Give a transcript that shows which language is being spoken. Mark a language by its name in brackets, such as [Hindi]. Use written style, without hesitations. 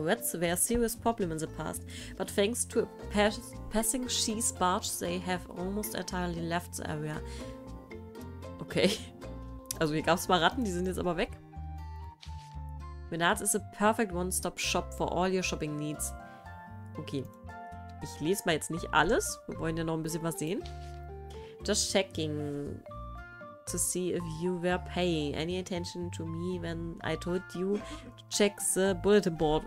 [English] Rats were a serious problem in the past. But thanks to a passing cheese barge, they have almost entirely left the area. Okay. [German] Also hier gab es mal Ratten, die sind jetzt aber weg. [English] Menards is a perfect one-stop-shop for all your shopping needs. [German] Okay. Ich lese mal jetzt nicht alles. Wir wollen ja noch ein bisschen was sehen. [English] Just checking to see if you were paying any attention to me when I told you to check the bulletin board.